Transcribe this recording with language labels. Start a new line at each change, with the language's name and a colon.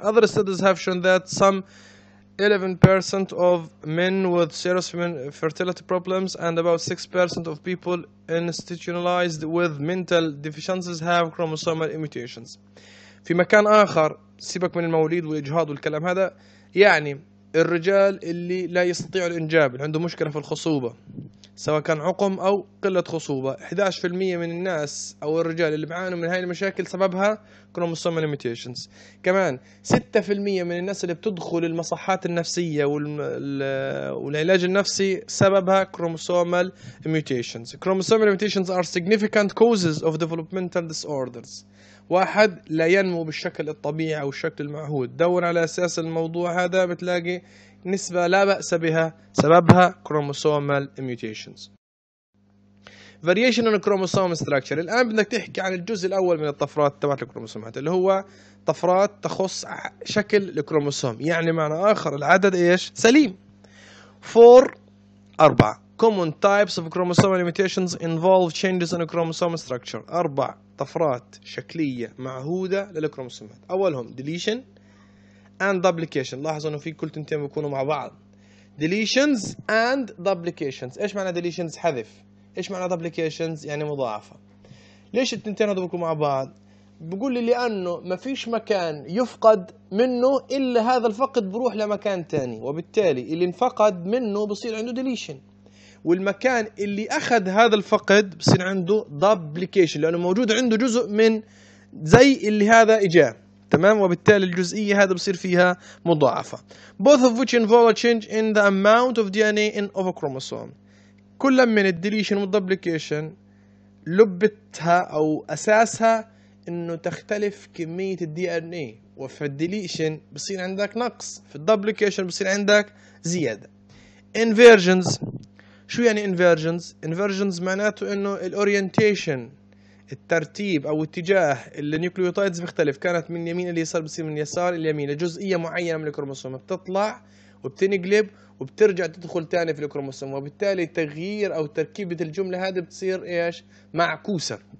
English: Other studies have shown that some 11% of men with serious fertility problems and about 6% of people institutionalized with mental deficiencies have chromosomal mutations.
Arabic: في مكان آخر سيبك من المواليد والإجهاض والكلام هذا، يعني الرجال اللي لا يستطيع الإنجاب اللي عنده مشكلة في الخصوبة سواء كان عقم أو قلة خصوبة، 11% من الناس أو الرجال اللي بعانوا من هاي المشاكل سببها كروموسومال ميوتيشنز. كمان 6% من الناس اللي بتدخل المصحات النفسية والعلاج النفسي سببها كروموسومال ميوتيشنز.
English: Chromosomal mutations are significant causes of developmental disorders.
Arabic: واحد لا ينمو بالشكل الطبيعي أو الشكل المعهود، دور على أساس الموضوع هذا بتلاقي نسبة لا بأس بها سببها chromosomal mutations.
English: Variation in chromosome structure.
Arabic: الآن بدك تحكي عن الجزء الأول من الطفرات تبعت الكروموسومات اللي هو طفرات تخص شكل الكروموسوم، يعني معنى آخر العدد إيش؟ سليم 4 4
English: common types of chromosomal mutations involve changes in chromosome structure.
Arabic: أربع طفرات شكلية معهودة للكروموسومات. أولهم deletion and duplication. لاحظوا إنه في كل تنتين بيكونوا مع بعض.
English: deletions and duplications.
Arabic: إيش معنى deletions؟ حذف. إيش معنى duplications؟ يعني مضاعفة. ليش التنتين هذول بيكونوا مع بعض؟ بيقول لي لأنه ما فيش مكان يفقد منه إلا هذا الفقد بروح لمكان تاني، وبالتالي اللي انفقد منه بصير عنده deletion، والمكان اللي أخذ هذا الفقد بصير عنده duplication لأنه موجود عنده جزء من زي اللي هذا إجا، تمام؟ وبالتالي الجزئية هذا بصير فيها مضاعفة.
English: Both of which involve a change in the amount of DNA in of a chromosome.
Arabic: كل من deletion والduplication لبتها أو أساسها إنه تختلف كمية الدي إن إيه، وفي الديليشن بصير عندك نقص، في الدوبليكيشن بصير عندك زيادة. inversions شو يعني inversions؟ inversions معناته إنه الorientation الترتيب أو اتجاه النيوكليوتيدز بيختلف، كانت من يمين اليسار بصير من يسار اليمين، جزئية معينة من الكروموسوم بتطلع وبتنقلب وبترجع تدخل تاني في الكروموسوم، وبالتالي تغيير أو تركيبة الجملة هذه بتصير إيش؟ معكوسة.